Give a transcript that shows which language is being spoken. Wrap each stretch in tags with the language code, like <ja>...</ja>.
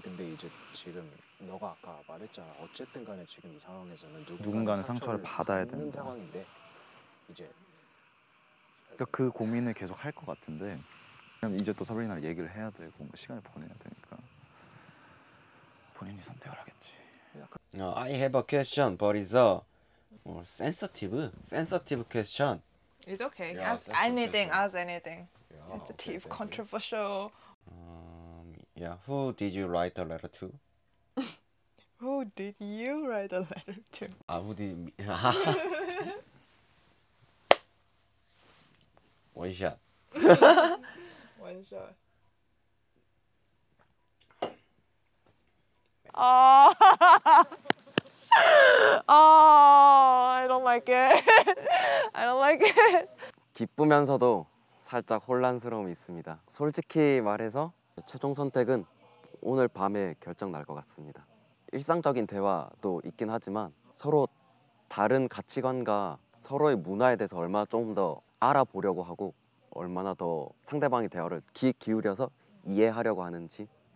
<ko>근데 이제 지금 너가 아까 말했잖아. 어쨌든 간에 지금 이 상황에서는 누군가는 상처를 받아야 되는 상황인데 이제 그러니까 그 고민을 계속 할 것 같은데 이제 또 서블리나랑 얘기를 해야 되고 시간을 보내야 되니까 본인이 선택을 하겠지.</ko> <en>I have a question, but it's a sensitive question. It's okay. Yeah, ask anything. Question. Ask anything. Yeah, sensitive, okay, controversial. Yeah. Who did you write the letter to? Who did you write the letter to? Who did me? One shot. One shot. I don't like it. I don't like it.</en> <ko>기쁘면서도 살짝 혼란스러움이 있습니다. 솔직히 말해서 최종 선택은 오늘 밤에 결정 날 것 같습니다. 일상적인 대화도 있긴 하지만 서로 다른 가치관과 서로의 문화에 대해서 얼마나 조금 더 알아보려고 하고 얼마나 더 상대방의 대화를 귀 기울여서 이해하려고 하는지.</ko>